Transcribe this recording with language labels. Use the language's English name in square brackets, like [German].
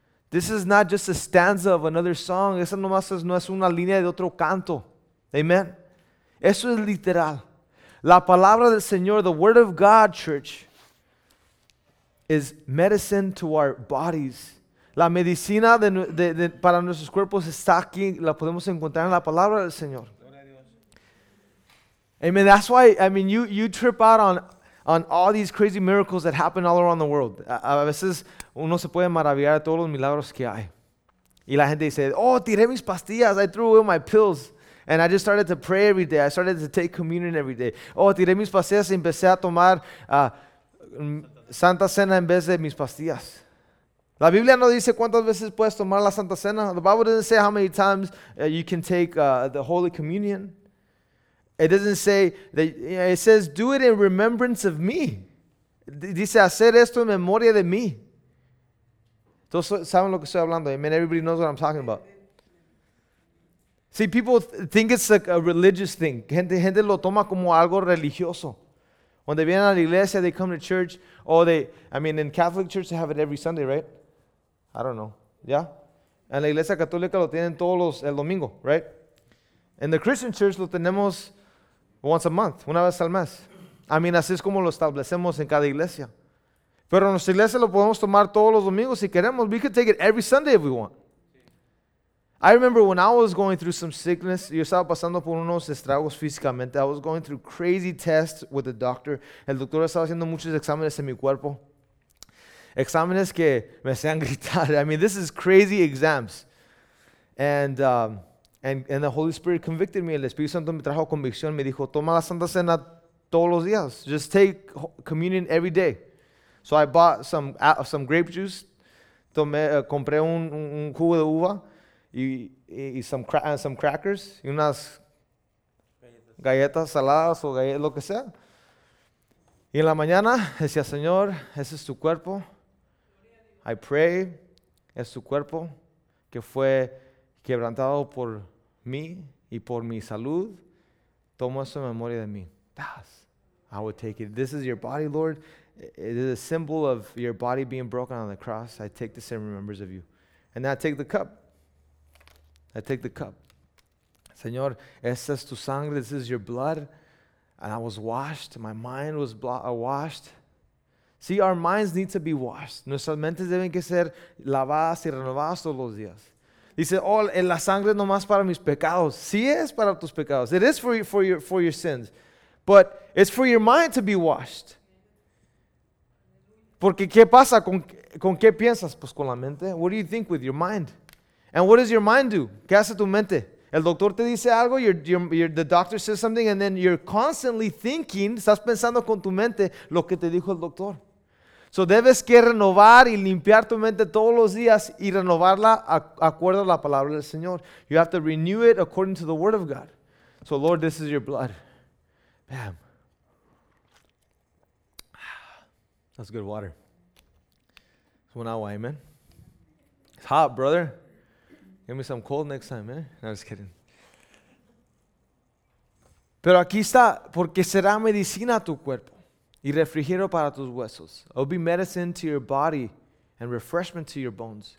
[English] This is not just a stanza of another song. [Spanish] Eso nomás no es una línea de otro canto. Amen. Eso es literal. La palabra del Señor, [English] the word of God, church, is medicine to our bodies. [Spanish] La medicina de para nuestros cuerpos está aquí. La podemos encontrar en la palabra del Señor. Amen. [English] That's why, I mean, you trip out on on all these crazy miracles that happen all around the world. [Spanish] A veces uno se puede maravillar de todos los milagros que hay. Y la gente dice, oh, tiré mis pastillas, [English] I threw away my pills. And I just started to pray every day. I started to take communion every day. [Spanish] Oh, tiré mis pastillas y empecé a tomar Santa Cena en vez de mis pastillas. La Biblia no dice cuántas veces puedes tomar la Santa Cena. [English] The Bible doesn't say how many times you can take the Holy Communion. It doesn't say that, it says do it in remembrance of me. [Spanish] Dice hacer esto en memoria de mí. Todos saben lo que estoy hablando. [English] I mean, everybody knows what I'm talking about. See, people think it's like a religious thing. [Spanish] Gente lo toma como algo religioso. [English] When they [Spanish] vienen a la iglesia, [English] they come to church, or they, I mean, in Catholic church, they have it every Sunday, right? I don't know. Yeah? [Spanish] En la iglesia católica lo tienen todos los, el domingo, right? [English] In the Christian church, [Spanish] lo tenemos [English] once a month, [Spanish] una vez al mes. I mean, así es como lo establecemos en cada iglesia. Pero en nuestra iglesia lo podemos tomar todos los domingos si queremos. [English] We could take it every Sunday if we want. I remember when I was going through some sickness, [Spanish] yo estaba pasando por unos estragos físicamente. [English] I was going through crazy tests with the doctor. [Spanish] El doctor estaba haciendo muchos exámenes en mi cuerpo. Exámenes que me hacían gritar. [English] I mean, this is crazy exams. And the Holy Spirit convicted me. [Spanish] El Espíritu Santo me trajo convicción. Me dijo, toma la Santa Cena todos los días. [English] Just take communion every day. So I bought some grape juice. [Spanish] Compré un jugo de uva. Y [English] some crackers, [Spanish] y unas galletas saladas o galletas, lo que sea. Y en la mañana decía, Señor, ese es tu cuerpo. [English] I pray, [Spanish] es tu cuerpo que fue quebrantado por mí y por mi salud. Tomo eso en memoria de mí. [English] Das. I would take it. This is your body, Lord. It is a symbol of your body being broken on the cross. I take this in remembrance of you. And then I take the cup. I take the cup. [Spanish] Señor, esta es tu sangre, [English] this is your blood. And I was washed, my mind was washed. See, our minds need to be washed. [Spanish] Nuestras mentes deben que ser lavadas y renovadas todos los días. Dice, oh, en la sangre no más para mis pecados. Sí es para tus pecados. [English] It is for your sins. But it's for your mind to be washed. [Spanish] Porque ¿qué pasa? ¿Con qué piensas? Pues con la mente. [English] What do you think with your mind? And what does your mind do? [Spanish] ¿Qué hace tu mente? El doctor te dice algo, [English] the doctor says something, and then you're constantly thinking, [Spanish] estás pensando con tu mente lo que te dijo el doctor. So debes que renovar y limpiar tu mente todos los días y renovarla acuerdo a la palabra del Señor. [English] You have to renew it according to the word of God. So Lord, this is your blood. Bam. That's good water. So now, amen. It's hot, brother. Give me some cold next time, man. No, just kidding. [Spanish] Pero aquí está, porque será medicina a tu cuerpo y refrigerio para tus huesos. [English] It'll be medicine to your body and refreshment to your bones.